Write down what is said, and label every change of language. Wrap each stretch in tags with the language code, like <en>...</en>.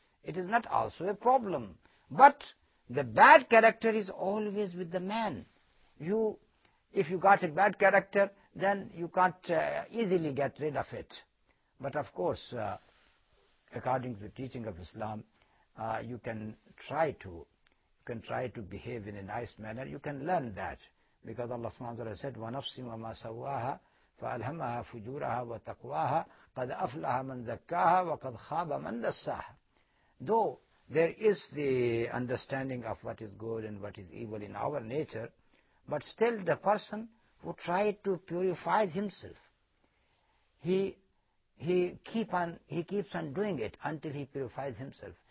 <en>It is not also a problem. But the bad character is always with the man. If you got a bad character, then you can't easily get rid of it. But of course, according to the teaching of Islam, you can try to behave in a nice manner. You can learn that. Because Allah subhanahu wa ta'ala said,</en> <ar>وَنَفْسِ وَمَا سَوَّاهَا فَأَلْهَمَهَا فُجُورَهَا وَتَقْوَاهَا قَدْ أَفْلَهَا مَنْ ذَكَّاهَا وَقَدْ خَابَ مَنْ دَسَّاهَا.</ar> <en>Though there is the understanding of what is good and what is evil in our nature, but still the person who tried to purify himself, he keeps on doing it until he purifies himself.</en>